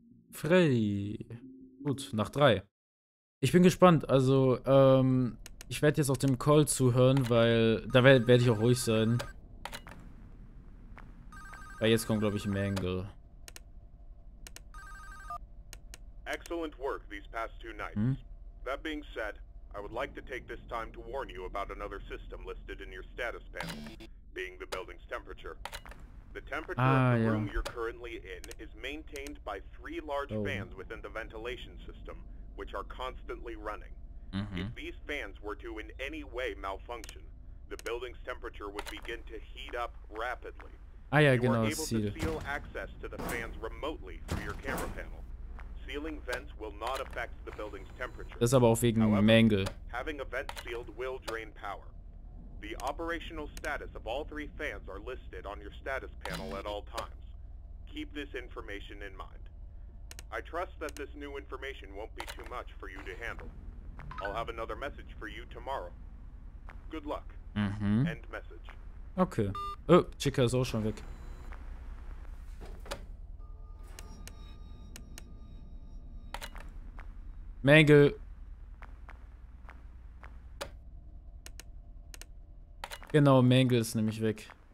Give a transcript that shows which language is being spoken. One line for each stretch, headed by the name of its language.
German: Freddy. Gut, Nacht 3. Ich bin gespannt. Also, ich werde jetzt auch dem Call zuhören, weil da werd ich auch ruhig sein. Weil jetzt kommt, glaube ich, Mangle.
English: Excellent work these past two nights. That being said, I would like to take this time to warn you about another system listed in your status panel, being the building's temperature. The temperature of the room you're currently in is maintained by three large fans within the ventilation system, which are constantly running. If these fans were to in any way malfunction, the building's temperature would begin to heat up rapidly. You are able to seal access to the fans remotely through your camera panel. Sealing vents will not affect the building's temperature.
German: Das aber auch wegen Mängel.
English: Having a vent sealed will drain power. The operational status of all three fans are listed on your status panel at all times. Keep this information in mind. I trust that this new information won't be too much for you to handle. I'll have another message for you tomorrow. Good luck. End message. Okay.
German: Oh, Chica ist auch schon weg. Mängel. Genau, Mängel ist nämlich weg.